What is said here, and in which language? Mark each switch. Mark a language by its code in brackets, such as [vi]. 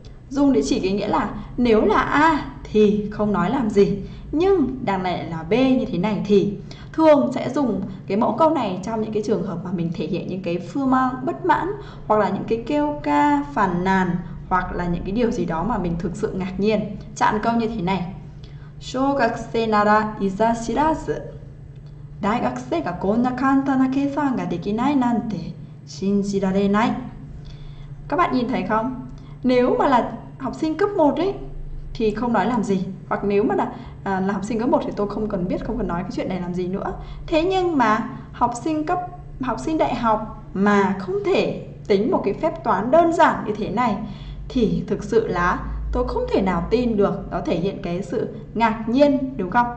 [vi] Dùng để chỉ cái nghĩa là nếu là A thì không nói làm gì, nhưng đằng này là B như thế này thì. Thường sẽ dùng cái mẫu câu này trong những cái trường hợp mà mình thể hiện những cái phương bất mãn, hoặc là những cái kêu ca phàn nàn, hoặc là những cái điều gì đó mà mình thực sự ngạc nhiên. Chặn câu như thế này: [ja] "小学生ならいざ知らず、大学生がこんな簡単な計算ができないなんて信じられない." [vi] Các bạn nhìn thấy không? Nếu mà là học sinh cấp 1 ấy thì không nói làm gì, hoặc nếu mà là học sinh cấp 1 thì tôi không cần biết, không cần nói cái chuyện này làm gì nữa. Thế nhưng mà học sinh đại học mà không thể tính một cái phép toán đơn giản như thế này thì thực sự là tôi không thể nào tin được, nó thể hiện cái sự ngạc nhiên, đúng không?